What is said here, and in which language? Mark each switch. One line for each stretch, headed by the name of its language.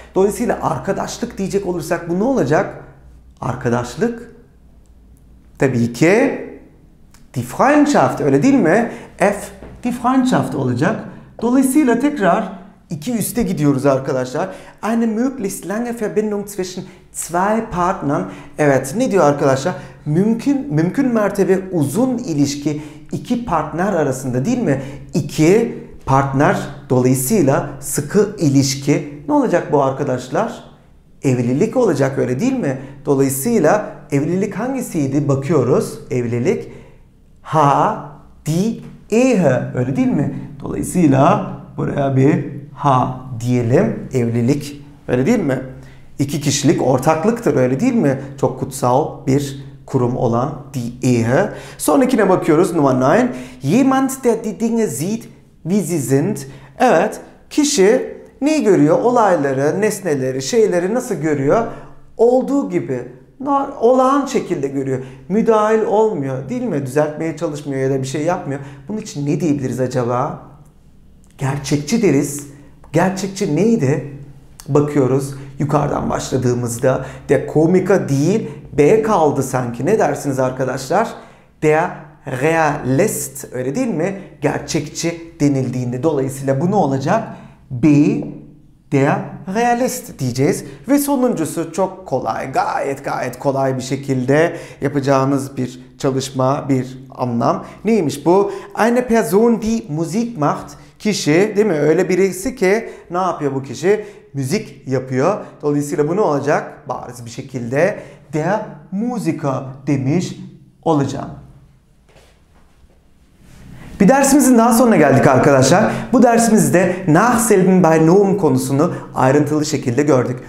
Turkish: Dolayısıyla arkadaşlık diyecek olursak bu ne olacak? Arkadaşlık. Tabii ki die Freundschaft, öyle değil mi? F die Freundschaft olacak. Dolayısıyla tekrar iki üste gidiyoruz arkadaşlar.
German: Eine möglichst lange Verbindung zwischen zwei Partnern.
Turkish: Evet, ne diyor arkadaşlar? Mümkün mertebe uzun ilişki iki partner arasında, değil mi? İki partner, dolayısıyla sıkı ilişki. Ne olacak bu arkadaşlar? Evlilik olacak, öyle değil mi? Dolayısıyla evlilik hangisiydi? Bakıyoruz. Evlilik. H, D, E, H. Öyle değil mi? Dolayısıyla buraya bir H diyelim. Evlilik. Öyle değil mi? İki kişilik ortaklıktır, öyle değil mi? Çok kutsal bir kurum olan die Ehe. Sonrakine bakıyoruz. Nummer 9.
German: Jemand, der die Dinge sieht, wie sie sind.
Turkish: Evet. Kişi neyi görüyor? Olayları, nesneleri, şeyleri nasıl görüyor? Olduğu gibi. Olağan şekilde görüyor. Müdahil olmuyor, değil mi? Düzeltmeye çalışmıyor ya da bir şey yapmıyor. Bunun için ne diyebiliriz acaba? Gerçekçi deriz. Gerçekçi neydi? Bakıyoruz. Yukarıdan başladığımızda der Komiker değil, B kaldı sanki. Ne dersiniz arkadaşlar? Der Realist, öyle değil mi? Gerçekçi denildiğinde. Dolayısıyla bu ne olacak? B, der Realist diyeceğiz. Ve sonuncusu çok kolay. Gayet kolay bir şekilde yapacağınız bir çalışma, bir anlam. Neymiş bu?
German: Eine Person, die Musik macht.
Turkish: Kişi, değil mi? Öyle birisi ki ne yapıyor bu kişi? Müzik yapıyor. Dolayısıyla bu ne olacak? Bariz bir şekilde der Musiker demiş olacağım. Bir dersimizin daha sonuna geldik arkadaşlar. Bu dersimizde nachselben bei Nomen konusunu ayrıntılı şekilde gördük.